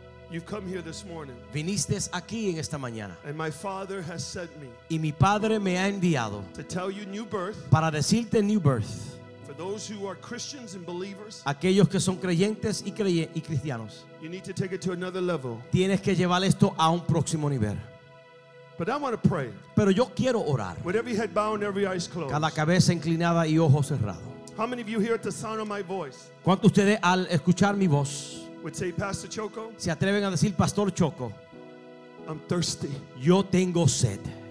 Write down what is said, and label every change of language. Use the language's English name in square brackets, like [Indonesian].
[English] You've come here this morning. [Spanish] Viniste aquí en esta mañana. [English] And my Father has sent me. [Spanish] Y mi Padre me ha enviado. [English] To tell you new birth. [Spanish] Para decirte [English] new birth. For those who are Christians and believers. [Spanish] Aquellos que son creyentes y cristianos. [English] You need to take it to another level. [Spanish] Tienes que llevar esto a un próximo nivel. [English] But I want to pray. [Spanish] Pero yo quiero orar. [English] With every head bowed and every eyes closed. [Spanish] Cada cabeza inclinada y ojos cerrados. [English] How many of you here at the sound of my voice? [Spanish] ¿Cuántos ustedes al escuchar mi voz? [English] Would say Pastor Choco. [Spanish] Se atreven a decir Pastor Choco. [English] I'm thirsty. [Spanish] Yo tengo sed.